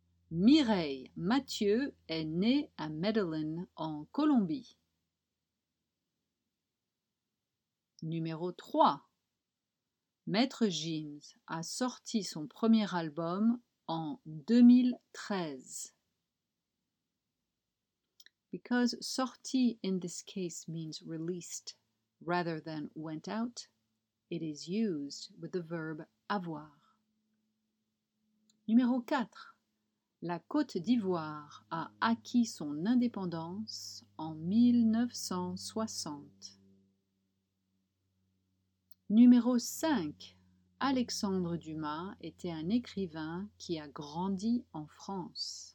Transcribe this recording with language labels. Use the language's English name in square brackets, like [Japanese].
[French] Mireille Mathieu est née à Medellin en Colombie. Numéro 3. Maître Gims a sorti son premier album en 2013. [English] Because sorti in this case means released rather than went out, it is used with the verb avoir. [French] Numéro 4. La Côte d'Ivoire a acquis son indépendance en 1960. Numéro 5. Alexandre Dumas était un écrivain qui a grandi en France.